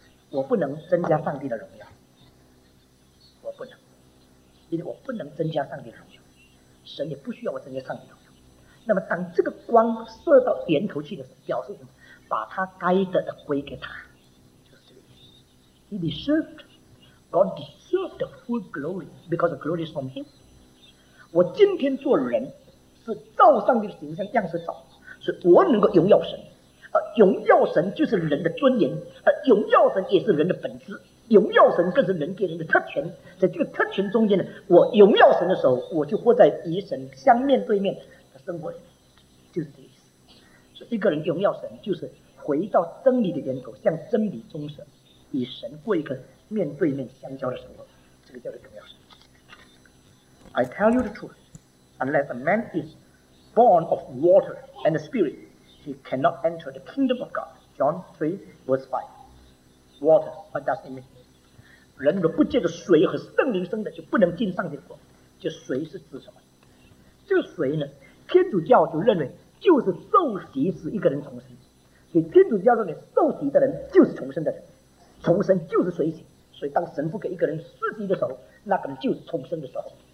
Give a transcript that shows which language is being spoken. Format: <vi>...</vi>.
<zh>我不能增加上帝的荣耀，我不能，因为我不能增加上帝的荣耀，神也不需要我增加上帝的荣耀。那么当这个光射到源头去的时候，表示什么？把他该得的归给他，就是这个意思。</zh> <en>He deserved, God deserved the full glory because the glory is from him。</en> <zh>我今天做人是照上帝的形象样式造，是我能够荣耀神，而荣耀神就是人的尊严，而荣耀神也是人的本质，荣耀神更是人给人的特权。在这个特权中间呢，我荣耀神的时候，我就活在与神相面对面生活，就是这意思。所以一个人荣耀神，就是回到真理的源头，向真理忠神，与神过一个面对面相交的生活，这个叫做荣耀神。</zh> <en>I tell you the truth, unless a man is born of water and the Spirit, he cannot enter the kingdom of God. John 3 verse 5. Water, what does it mean?</en> <zh>人若不借着水和圣灵生的，就不能进上帝国。这水是指什么？这个水呢？天主教就认为就是受洗使一个人重生，所以天主教认为受洗的人就是重生的人，重生就是水洗，所以当神父给一个人施洗的时候，那个人就是重生的时候。</zh>